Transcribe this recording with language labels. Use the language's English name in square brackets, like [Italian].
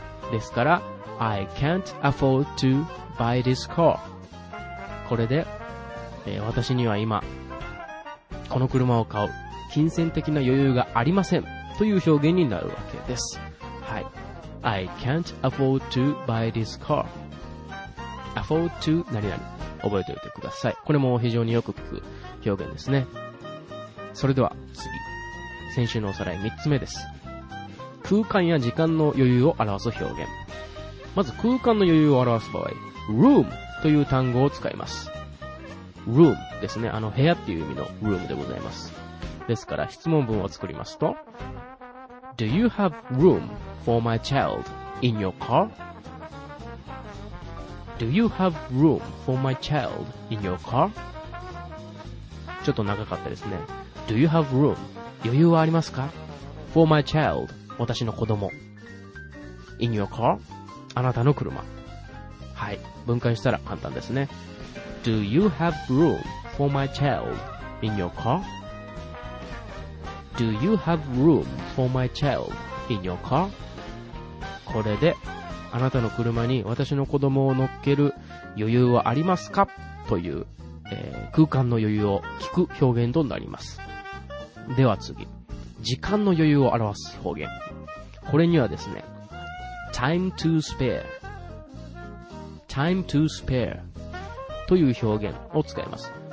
[Japanese] ですから、 [English] I can't afford to buy this car. [Japanese] これで、私には今、この車を買う、金銭的な余裕がありませんという表現になるわけです。はい。 [English] I can't afford to buy this car. Afford to [Japanese] 何々。覚えておいてください。これも非常によく聞く表現ですね。それでは次、先週のおさらい3つ目です。空間や時間の余裕を表す表現。まず空間の余裕を表す場合、 room という単語を使います。 room ですね、あの部屋っていう意味の room でございます。ですから質問文を作りますと、 [English] Do you have room for my child in your car? Do you have room for my child in your car? [Japanese] ちょっと長かったですね。 [English] Do you have room? [Japanese] 余裕はありますか? [English] For my child. [Japanese] 私の子供。 [English] In your car? [Japanese] あなたの車。はい。分解したら簡単ですね。 [English] Do you have room for my child in your car? Do you have room for my child in your car? [Japanese] これで、あなたの車に私の子供を乗っける余裕はありますか? という、空間の余裕を聞く表現となります。では次、時間の余裕を表す表現。これにはですね、 [English] time to spare、time to spare [Japanese] という表現を使います。